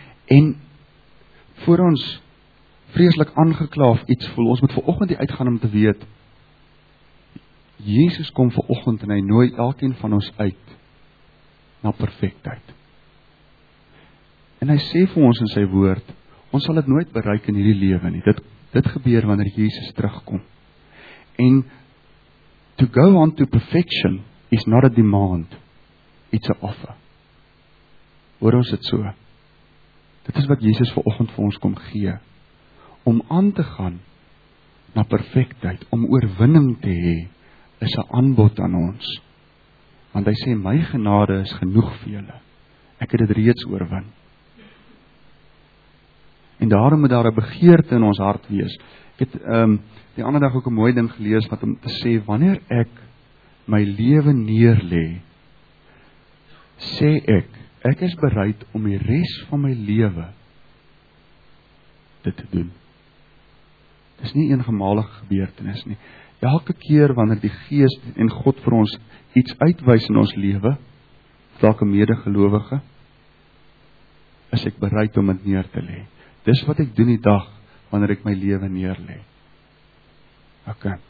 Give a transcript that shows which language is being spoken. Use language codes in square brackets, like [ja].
[af] En voor ons vreeslik aangeklaaf iets voel, ons moet vanoggend die uitgaan om te weet, Jesus kom vanoggend en hy nooi elkeen van ons uit na perfektheid. En hy sê vir ons in sy woord, ons sal dit nooit bereik in hierdie lewe nie. Dit gebeur wanneer Jesus terugkom. [en] En to go on to perfection is not a demand, it's a offer. [af] Hoor ons dit so? Dit is wat Jesus vanoggend vir ons kom gee, om aan te gaan na perfektheid, om oorwinning te hê, is 'n aanbod aan ons. Want hy sê, my genade is genoeg vir julle. Ek het dit reeds oorwin. En daarom moet daar 'n begeerte in ons hart wees. Ek het die ander dag ook 'n mooi ding gelees, wat om te sê, wanneer ek my lewe neerlê, sê ek is bereid om die res van my lewe dit te doen. Dit is nie een gemalige gebeurtenis nie. Elke keer wanneer die Gees en God vir ons iets uitwys in ons lewe, dalk 'n medegelowige, is ek bereid om dit neer te lê. Dis wat ek doen die dag wanneer ek my lewe neerlê. OK.